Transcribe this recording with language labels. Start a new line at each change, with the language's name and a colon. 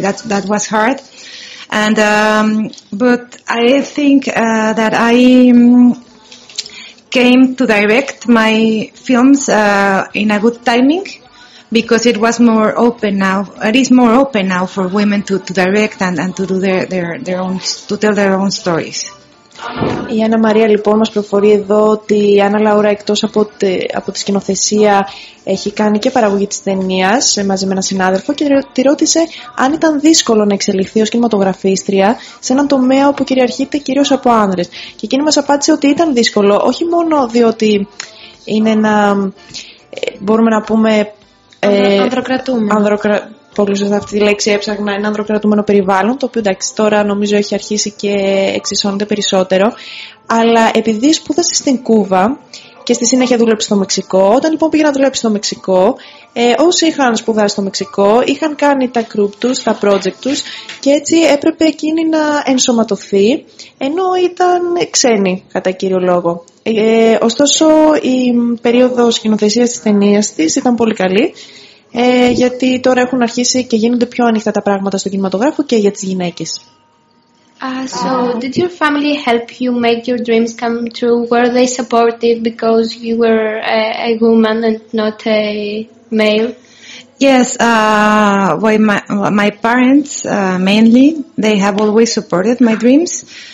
English: That was hard. And but I think that I... came to direct my films in a good timing, because it was more open now. It is more open now for women to direct and to do their own, to tell their own stories.
Greek: Η Άννα Μαρία λοιπόν μας προφορεί εδώ ότι η Άννα Λαούρα εκτός από τη σκηνοθεσία έχει κάνει και παραγωγή της ταινίας μαζί με έναν συνάδελφο και τη ρώτησε αν ήταν δύσκολο να εξελιχθεί ως κινηματογραφίστρια σε έναν τομέα όπου κυριαρχείται κυρίως από άνδρες. Και εκείνη μας απάντησε ότι ήταν δύσκολο όχι μόνο διότι είναι ένα, μπορούμε να πούμε... Ανδροκρατούμενο. Πολύ σωστά αυτή τη λέξη έψαχνα, ένα ανδροκρατούμενο περιβάλλον, το οποίο εντάξει τώρα νομίζω έχει αρχίσει και εξισώνεται περισσότερο, αλλά επειδή σπούδασε στην Κούβα και στη συνέχεια δούλεψε στο Μεξικό, όταν λοιπόν πήγε να δουλέψει στο Μεξικό, όσοι είχαν σπουδάσει στο Μεξικό είχαν κάνει τα group τους, τα project τους, και έτσι έπρεπε εκείνη να ενσωματωθεί, ενώ ήταν ξένη κατά κύριο λόγο. Ωστόσο η περίοδος σκηνοθεσίας της ταινίας της ήταν πολύ καλή, γιατί τώρα έχουν αρχίσει και γίνονται πιο ανοιχτά τα πράγματα στον κινηματογράφο και για τις γυναίκες.
English: So, did your family help you make your dreams come true? Were they supportive because you were a woman and not a male? Yes, my parents mainly, they have always supported my dreams.